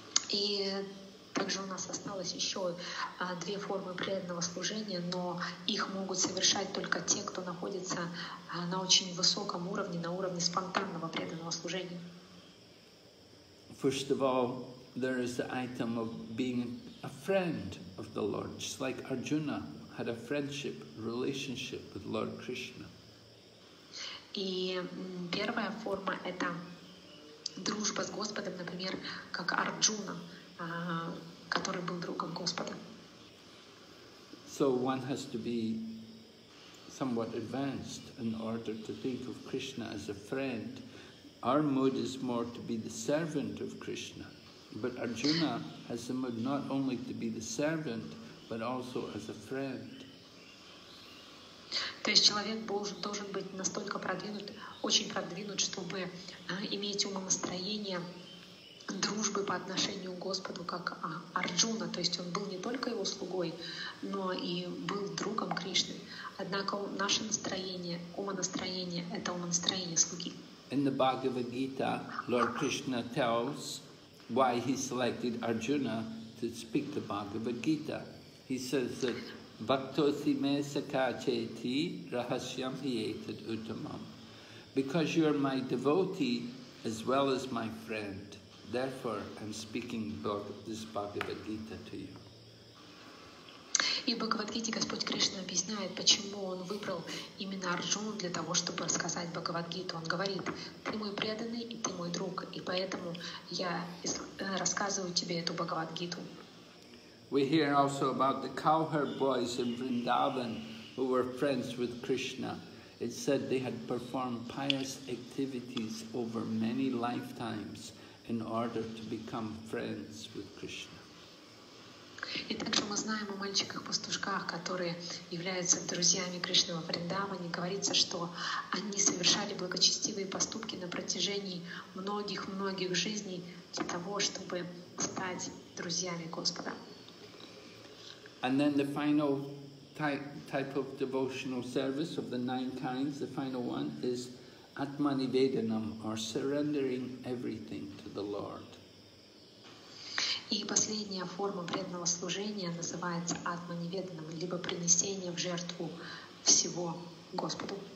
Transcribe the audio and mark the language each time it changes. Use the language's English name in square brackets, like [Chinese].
[Russian] И также у нас осталось еще две формы преданного служения, но их могут совершать только те, кто находится на очень высоком уровне, на уровне спонтанного преданного служения. [English] First of all, there is the item of being a friend of the Lord, just like Arjuna had a friendship relationship with Lord Krishna. [Russian] И первая форма – это дружба с Господом, например, как Арджуна, который был другом Господа. [English] So one has to be somewhat advanced in order to think of Krishna as a friend. Our mood is more to be the servant of Krishna, but Arjuna has the mood not only to be the servant, but also as a friend. [Russian] То есть человек должен быть настолько продвинут, очень продвинут, чтобы иметь умонастроение дружбы по отношению к Господу, как Арджуна. То есть он был не только его слугой, но и был другом Кришны. Однако наше настроение, умонастроение, это умонастроение слуги. [English] In the Bhagavad Gita, Lord Krishna tells why he selected Arjuna to speak the Bhagavad Gita. He says that [Sanskrit] Bhaktosi me sakha cheti rahasyam hi etat uttamam. [English] Because you are my devotee as well as my friend, therefore I'm speaking this Bhagavad Gita to you. [Russian] И в Бхагавадгите Господь Кришна объясняет, почему Он выбрал именно Арджуну для того, чтобы рассказать Бхагавадгиту. Он говорит, ты мой преданный и ты мой друг, и поэтому я рассказываю тебе эту Бхагавадгиту. [English] We hear also about the cowherd boys in Vrindavan who were friends with Krishna. It said they had performed pious activities over many lifetimes in order to become friends with Krishna. [Russian] И также мы знаем о мальчиках-пастушках, которые являются друзьями Кришны во Вриндаване. Говорится, что они совершали благочестивые поступки на протяжении многих-многих жизней для того, чтобы стать друзьями Господа. [English] And then the final type of devotional service of the nine kinds, the final one is Atmanivedanam, or surrendering everything to the Lord. [Russian] И последняя форма преданного служения называется атманиведанам, либо принесение в жертву всего Господу.